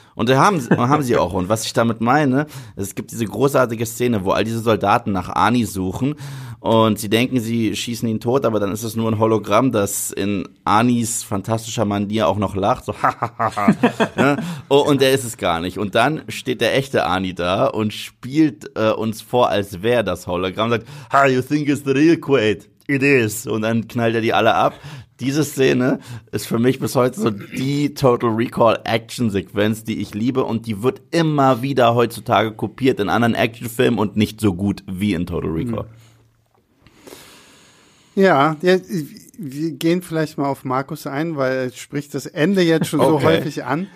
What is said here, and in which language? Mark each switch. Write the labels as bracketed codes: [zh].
[de] Und da haben sie auch. Und was ich damit meine, es gibt diese großartige Szene, wo all diese Soldaten nach Arnie suchen und sie denken, sie schießen ihn tot, aber dann ist es nur ein Hologramm, das in Arnis fantastischer Manier auch noch lacht. So, ha, ha, ha, ha. Oh, und der ist es gar nicht. Und dann steht der echte Arnie da und spielt uns vor, als wäre das Hologramm. Sagt, [en] ha, you think it's the real Quaid? It is. [de] Und dann knallt er die alle ab. Diese Szene ist für mich bis heute so die Total Recall Action-Sequenz, die ich liebe. Und die wird immer wieder heutzutage kopiert in anderen Actionfilmen und nicht so gut wie in Total Recall. Mhm. Ja, wir gehen vielleicht mal auf Markus ein, weil er spricht das Ende jetzt schon so häufig an.